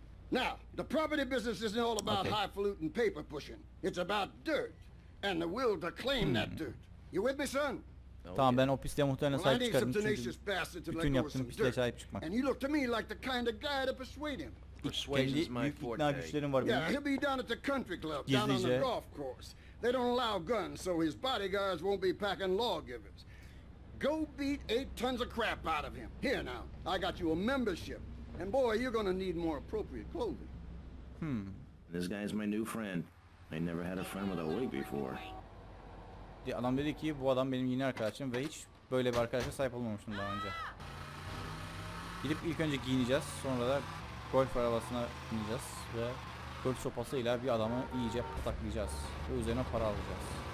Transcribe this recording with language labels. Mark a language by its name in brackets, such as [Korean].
[English] Now, the property business isn't all about highfalutin paper pushing. It's about dirt and the will to claim that dirt. You with me son? [Turkish] Tamam ben o pisliğe muhtemelen sahip çıkarım çünkü bütün yaptığım pisliğe sahip çıkmak. Kendi büyük ikna güçlerim var benim. Gizlice. [English] They don't allow guns so his bodyguards won't be packing lawgivers. Go beat 8 tons of crap out of him. Here now, I got you a membership. And boy, you're gonna need more appropriate clothing. This guy's my new friend. I never had a friend with a wig before. [Turkish] Adam dedi ki bu adam benim yeni arkadaşım ve hiç böyle bir arkadaşa sahip olmamıştım daha önce. Gidip ilk önce giyineceğiz, sonra da golf arabasına bineceğiz ve golf sopasıyla bir adamı iyice pataklayacağız ve üzerine para alacağız.